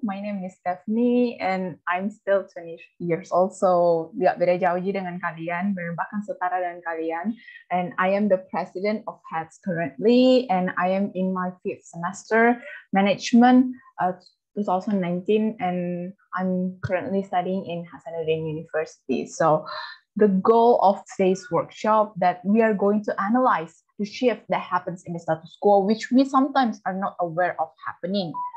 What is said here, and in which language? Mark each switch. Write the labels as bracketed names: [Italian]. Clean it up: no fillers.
[English] My name is Stephanie and I'm still 20 years old. [Indonesian] So gak beda jauh dengan kalian, bahkan setara dengan kalian. [English] And I am the president of HATS currently and I am in my fifth semester management 2019 and I'm currently studying in Hasanuddin University. So the goal of today's workshop that we are going to analyze the shift that happens in the status quo, which we sometimes are not aware of happening.